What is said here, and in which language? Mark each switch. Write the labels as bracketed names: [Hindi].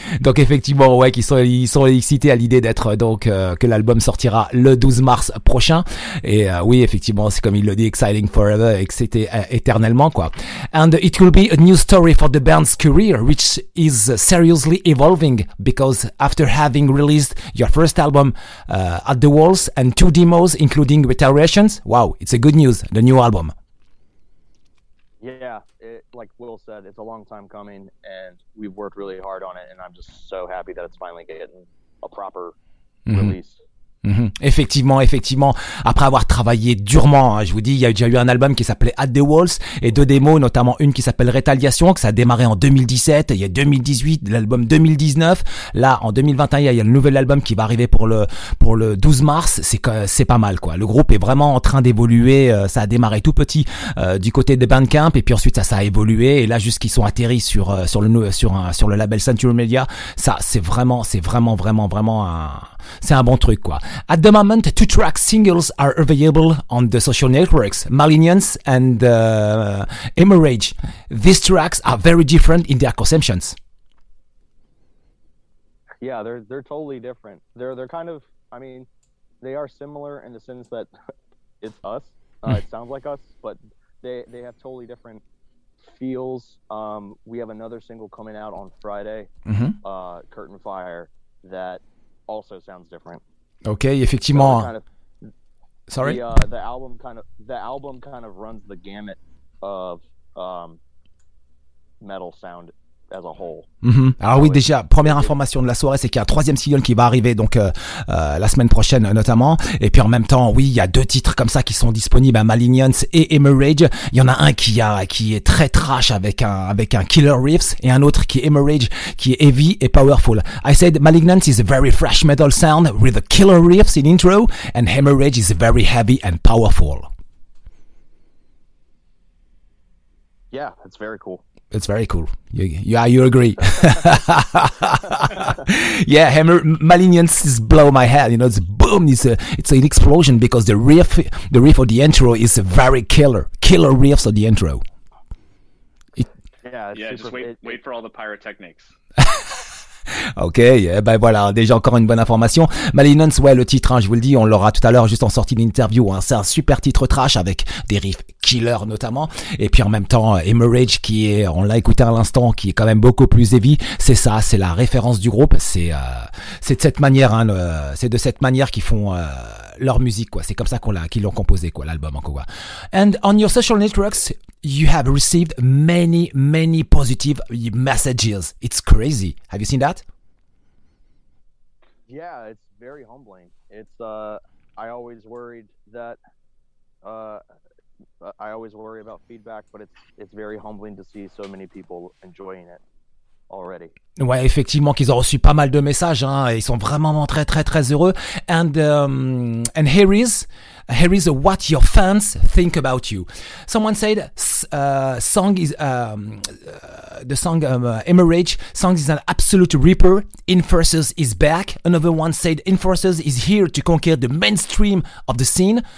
[French] Donc effectivement, ouais, qu'ils sont excités à l'idée d'être donc que l'album sortira le 12 mars prochain. Et oui, effectivement, c'est comme il le dit, [English] exciting forever, [French] excité éternellement quoi. [English] And it will be a new story for the band's career, which is seriously evolving because after having released your first album At the Walls and two demos, including Retaliations, wow, it's a good news, the new album. Yeah, it, like Will said, it's a long time coming, and we've worked really hard on it, and I'm just so happy that it's finally getting a proper release. [French] Effectivement. Après avoir travaillé durement, hein, je vous dis, il y a déjà eu un album qui s'appelait At the Walls et deux démos, notamment une qui s'appelle Rétaliation, que ça a démarré en 2017. Il y a 2018, l'album 2019. Là, en 2021, il y a le nouvel album qui va arriver pour le 12 mars. C'est pas mal, quoi. Le groupe est vraiment en train d'évoluer. Ça a démarré tout petit du côté de Bandcamp et puis ensuite ça a évolué et là, jusqu'ils sont atterris sur le label Century Media. Ça, c'est vraiment un bon truc, quoi. [English] At the moment, two track singles are available on the social networks, Malignance and Hemorrhage. These tracks are very different in their conceptions. Yeah, they're totally different. They're kind of, I mean, they are similar in the sense that it's us. It sounds like us, but they have totally different feels. We have another single coming out on Friday, Curtain Fire, that also sounds different. Okay, [French] effectivement. [English] So the album kind of runs the gamut of metal sound as a whole. [French] Alors oui, déjà, première information de la soirée, c'est qu'il y a un troisième single qui va arriver donc la semaine prochaine notamment. Et puis en même temps, oui, il y a deux titres comme ça qui sont disponibles, Malignance et Hemorrhage. Il y en a un qui est très trash avec un killer riffs et un autre qui est Hemorrhage qui est heavy et powerful. [English] I said Malignance is a very fresh metal sound with a killer riffs in intro and Hemorrhage is very heavy and powerful. Yeah, that's very cool. It's very cool. You agree. Yeah, Hammer Malignance is blow my head. You know, it's boom. It's an explosion because the riff of the intro is a very killer riffs of the intro. Wait for all the pyrotechnics. [French] Ok, ben voilà, déjà encore une bonne information. Malignance, ouais, le titre, hein, je vous le dis, on l'aura tout à l'heure juste en sortie d'interview, hein. C'est un super titre trash avec des riffs killer notamment. Et puis en même temps, Hemorrhage qui est, on l'a écouté à l'instant, qui est quand même beaucoup plus heavy. C'est ça, c'est la référence du groupe. C'est de cette manière, hein, c'est de cette manière qu'ils font leur musique, quoi. C'est comme ça qu'ils l'ont composé, quoi, l'album, en quoi. [English] And on your social networks, you have received many, many positive messages. It's crazy. Have you seen that? Yeah, it's very humbling. It's I always worry about feedback, but it's very humbling to see so many people enjoying it already. [French] Ouais, effectivement, qu'ils ont reçu pas mal de messages, hein. Ils sont vraiment très, très, très heureux. [English] And here is what your fans think about you. Someone said, song is, the song, Emmerich, song is an absolute ripper. Enforcers is back. Another one said, Enforcers is here to conquer the mainstream of the scene.